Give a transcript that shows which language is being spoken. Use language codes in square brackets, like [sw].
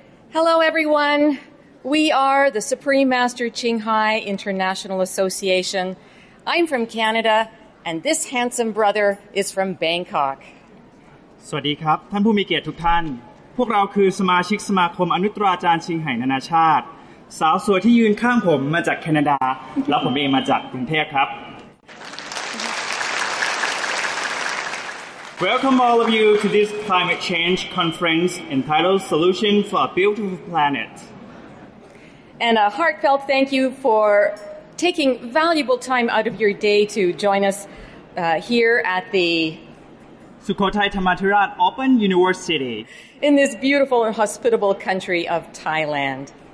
[en] Hello, everyone. We are the Supreme Master Qinghai International Association. I'm from Canada, and this handsome brother is from Bangkok. [th] สวัสดีครับท่านผู้มีเกียรติทุกท่านพวกเราคือสมาชิกสมาคมอนุตตราจารย์ชิงไห่นานาชาติสาวสวยที่ยืนข้างผมมาจากแคนาดาแล้วผมเองมาจากกรุงเทพครับ [en] Welcome all of you to this climate change conference entitled Solution for a Beautiful Planet. And a heartfelt thank you for taking valuable time out of your day to join us here at the Sukhothai Thammathirat Open University in this beautiful and hospitable country of Thailand.